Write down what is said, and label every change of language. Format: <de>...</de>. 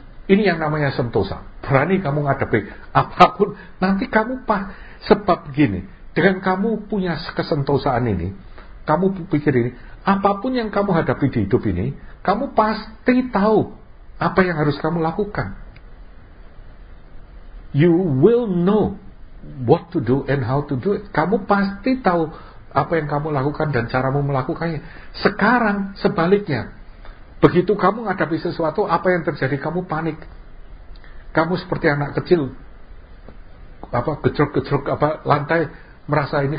<id>Ini yang namanya sentosa. Berani kamu ngadepi apapun, nanti kamu sebab gini. Dengan kamu punya kesentosaan ini, kamu pikir ini, apapun yang kamu hadapi di hidup ini, kamu pasti tahu apa yang harus kamu lakukan.</id> <en>You will know what to do and how to do it.</en> <id>Kamu pasti tahu apa yang kamu lakukan dan caramu melakukannya. Sekarang sebaliknya, begitu kamu menghadapi sesuatu, apa yang terjadi? Kamu panik. Kamu seperti anak kecil, apa, gejrok-gejrok apa lantai, merasa ini.</id>